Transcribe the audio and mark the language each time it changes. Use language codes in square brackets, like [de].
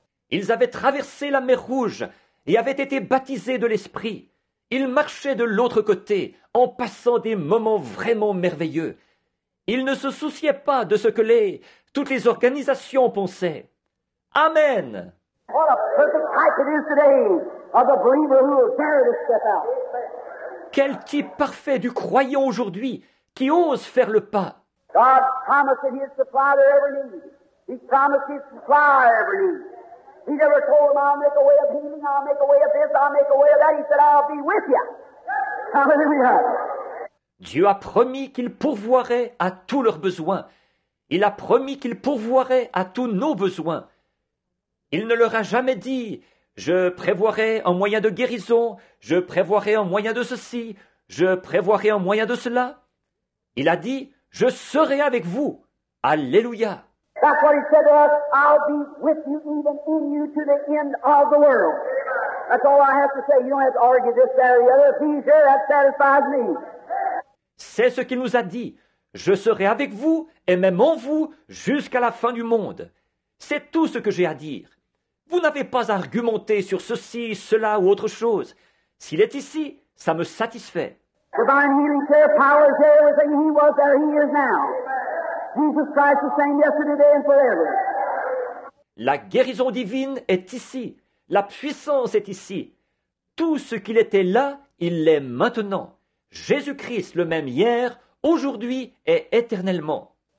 [fr] Ils avaient traversé la mer Rouge et avaient été baptisés de l'Esprit. Ils marchaient de l'autre côté en passant des moments vraiment merveilleux. Ils ne se souciaient pas de ce que toutes les organisations pensaient. Amen. [en] What a perfect type it is today of the believer who will dare to step out. [fr] Quel type parfait du croyant aujourd'hui qui ose faire le pas. [en] God promised that he'd supply their every need. He promised he'd supply every need. He never told him, I'll make a way of healing, I'll make a way of this, I'll make a way of that. He said, I'll be with you. Hallelujah. [fr] Dieu a promis qu'il pourvoirait à tous leurs besoins. Il a promis qu'il pourvoirait à tous nos besoins. Il ne leur a jamais dit, Je prévoirai un moyen de guérison. Je prévoirai un moyen de ceci. Je prévoirai un moyen de cela. Il a dit, je serai avec vous. Alléluia. [en] That's what he said to us. I'll be with you, even in you, to the end of the world. That's all I have to say. You don't have to argue this, that, or the other. If he's here, that satisfies me. [fr] C'est ce qu'il nous a dit. Je serai avec vous et même en vous jusqu'à la fin du monde. C'est tout ce que j'ai à dire. Vous n'avez pas à argumenter sur ceci, cela ou autre chose. S'il est ici, ça me satisfait. [en] Divine healing care, power is there, everything. He was there, he is now. Jesus Christ the same yesterday, today and forever. [fr] La guérison divine est ici. La puissance est ici. Tout ce qu'il était là, il l'est maintenant. Jésus-Christ le même hier, aujourd'hui et éternellement.